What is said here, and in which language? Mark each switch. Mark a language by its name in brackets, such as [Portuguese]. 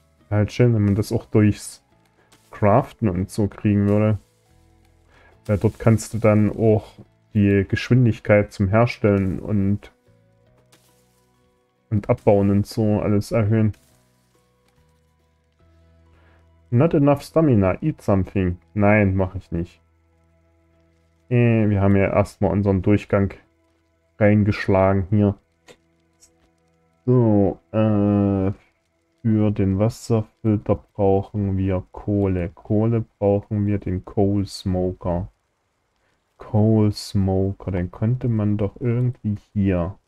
[German] Halt schön, wenn man das auch durchs Craften und so kriegen würde. Ja, dort kannst du dann auch die Geschwindigkeit zum Herstellen und Abbauen und so alles erhöhen. [English] Not enough stamina, eat something. [German] Nein, mache ich nicht. Wir haben ja erstmal unseren Durchgang reingeschlagen hier. So, für den Wasserfilter brauchen wir Kohle. Kohle brauchen wir den Coal Smoker. Coal Smoker, den könnte man doch irgendwie hier.